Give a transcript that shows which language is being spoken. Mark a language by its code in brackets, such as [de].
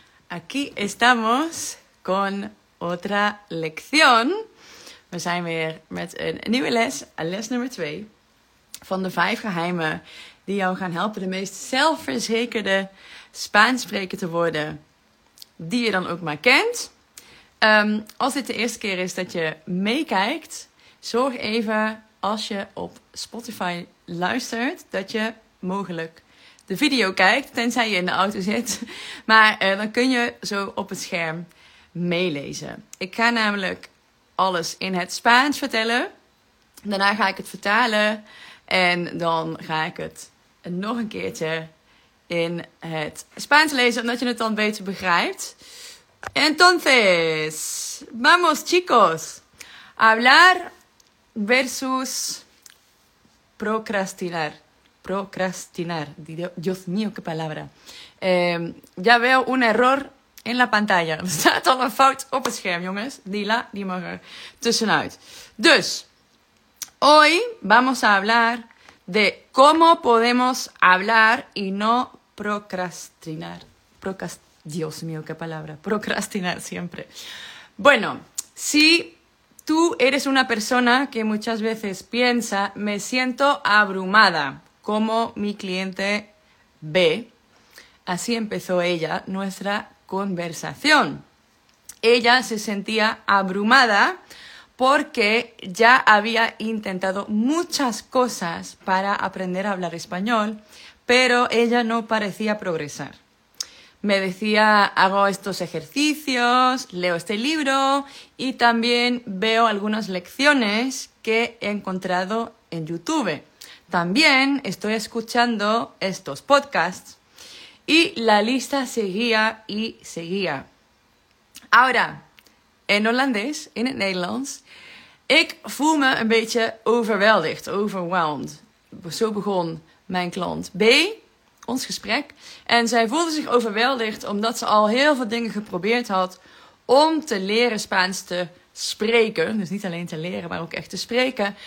[es] Aquí estamos con otra lección. [nl] We zijn weer met een nieuwe les, les nummer 2 van de 5 geheimen die jou gaan helpen de meest zelfverzekerde Spaanssprekers te worden die je dan ook maar kent. Als dit de eerste keer is dat je meekijkt, zorg even als je op Spotify luistert dat je mogelijk de video kijkt, tenzij je in de auto zit. Maar dan kun je zo op het scherm meelezen. Ik ga namelijk alles in het Spaans vertellen. Daarna ga ik het vertalen. En dan ga ik het nog een keertje in het Spaans lezen, omdat je het dan beter begrijpt. [es] Entonces, vamos chicos. Hablar versus procrastinar. Procrastinar. Dios mío, qué palabra. Ya veo un error en la pantalla. [nl] Er staat al een fout op het scherm, jongens. Die mag er tussenuit. [es] Dus, hoy vamos a hablar de cómo podemos hablar y no procrastinar. Dios mío, qué palabra. Procrastinar siempre. Bueno, si tú eres una persona que muchas veces piensa, me siento abrumada. Como mi cliente B, así empezó ella nuestra conversación. Ella se sentía abrumada porque ya había intentado muchas cosas para aprender a hablar español, pero ella no parecía progresar. Me decía, hago estos ejercicios, leo este libro y también veo algunas lecciones que he encontrado en YouTube. También estoy escuchando estos podcasts y la lista seguía y seguía. Ahora, en holandés, [nl] en het Nederlands, ik voel me een beetje overwhelmed. Zo begon mijn klant B, ons gesprek. En zij voelde zich overweldigd omdat ze al heel veel dingen geprobeerd had om te leren Spaans te spreken, dus niet alleen te leren, maar ook echt te spreken.